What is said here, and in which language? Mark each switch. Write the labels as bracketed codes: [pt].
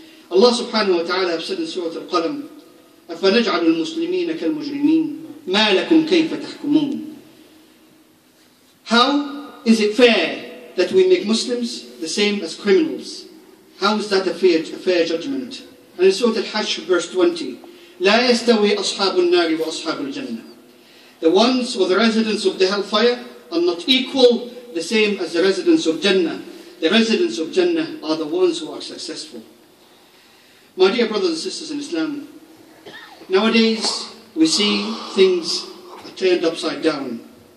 [en] Allah subhanahu wa ta'ala have said in Surah Al-Qalam, [ar] أَفَنَجْعَلُ الْمُسْلِمِينَ كَالْمُجْرِمِينَ مَا لَكُمْ كَيْفَ تَحْكُمُونَ. [en] How is it fair that we make Muslims the same as criminals? How is that a fair judgment? And in Surah Al-Hajj, verse 20, [ar] لَا يَسْتَوِي أَصْحَابُ النَّارِ وَأَصْحَابُ الْجَنَّةِ. [en] The ones or the residents of the hellfire are not equal, the same as the residents of Jannah. The residents of Jannah are the ones who are successful. My dear brothers and sisters in Islam, nowadays we see things are turned upside down.